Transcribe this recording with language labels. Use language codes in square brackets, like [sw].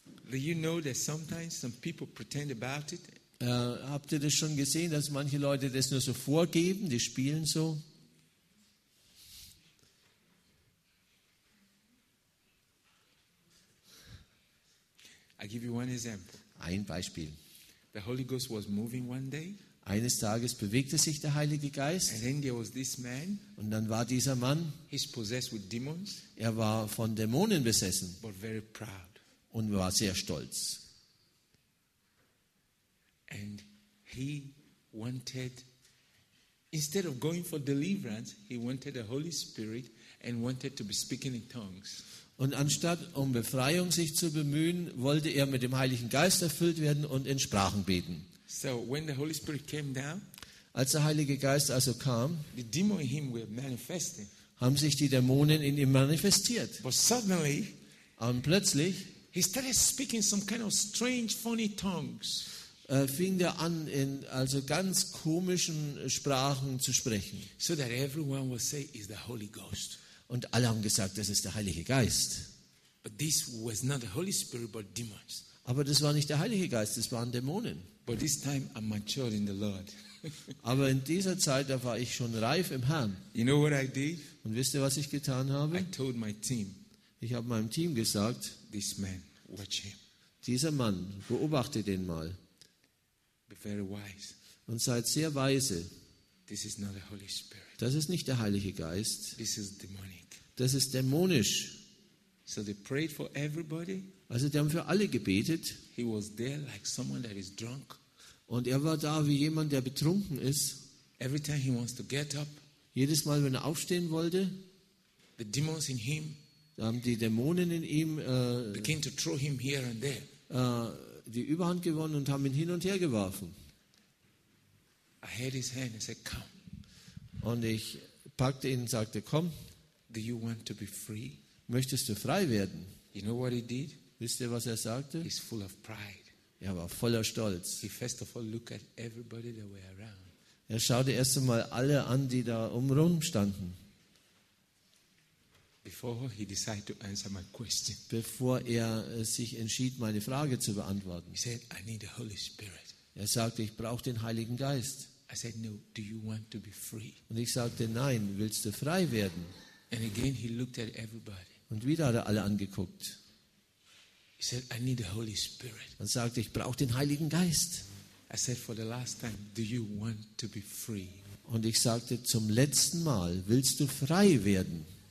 [en] do you know that sometimes some people pretend about it? [de] Habt ihr das schon gesehen, dass manche Leute das nur so vorgeben, die spielen so? [en] I give you one example. [de] Ein Beispiel. [en] The Holy Ghost was moving one day. [de] Eines Tages bewegte sich der Heilige Geist. [en] And then there was this man. [de] Und dann war dieser Mann. [en] He's possessed with demons. [de] Er war von Dämonen besessen. [en] But very proud. [de] Und war sehr stolz. [en] And he wanted, instead of going for deliverance, he wanted the Holy Spirit and wanted to be speaking in tongues. [de] Und anstatt um Befreiung sich zu bemühen, wollte er mit dem Heiligen Geist erfüllt werden und in Sprachen beten. [en] So, when the Holy Spirit came down, [de] als der Heilige Geist also kam, [en] the demon in him were manifesting. [de] Haben sich die Dämonen in ihm manifestiert. [en] But suddenly, [de] und plötzlich, [en] he started speaking some kind of strange, funny tongues. [de] Fing er an, in also ganz komischen Sprachen zu sprechen. [en] So that everyone would say, "Is the Holy Ghost." [de] Und alle haben gesagt, das ist der Heilige Geist. [en] But this was not the Holy Spirit, but demons. [de] Aber das war nicht der Heilige Geist, das waren Dämonen. [en] But this time I matured in the Lord. [de] Aber in dieser Zeit, da war ich schon reif im Herrn. [en] You know what I did? [de] Und wisst ihr, was ich getan habe? [en] I told my team, [de] ich habe meinem Team gesagt, [en] this man, watch him. [de] Dieser Mann, beobachte den mal. [en] Be very wise. [de] Und seid sehr weise. [en] This is not the Holy Spirit. [de] Das ist nicht der Heilige Geist. [en] This is demonic. [de] Das ist dämonisch. [en] So they prayed for everybody. [de] Also die haben für alle gebetet. [en] He was there like someone that is drunk. [de] Und er war da wie jemand, der betrunken ist. [en] Every time he wants to get up, [de] jedes Mal, wenn er aufstehen wollte, [en] the demons in him, [de] haben die Dämonen in ihm [en] begin to throw him here and there. [de] die Überhand gewonnen und haben ihn hin und her geworfen. [en] I held his hand and said, come. [de] Und ich packte ihn und sagte, komm. [en] Do you want to be free? [de] Möchtest du frei werden? [en] You know what he did? [de] Wisst ihr, was er sagte? [en] He's full of pride. [de] Er war voller Stolz. [en] He first of all looked at everybody that were around. [de] Er schaute erst einmal alle an, die da umrum standen. [en] Before he decided to answer my question. [de] Bevor er sich entschied, meine Frage zu beantworten. [en] He said, I need the Holy Spirit. [de] Er sagte, ich brauche den Heiligen Geist. [en] I said, no, do you want to be free? [de] Und ich sagte, nein, willst du frei werden? [en] And again he looked at everybody. [de] Und wieder hat er alle angeguckt. [en] He said, I need the Holy Spirit. [de] Und sagte, ich brauche den Heiligen Geist. [en] I said, for the last time, do you want to be free? [de] Und ich sagte, zum letzten Mal, willst du frei werden?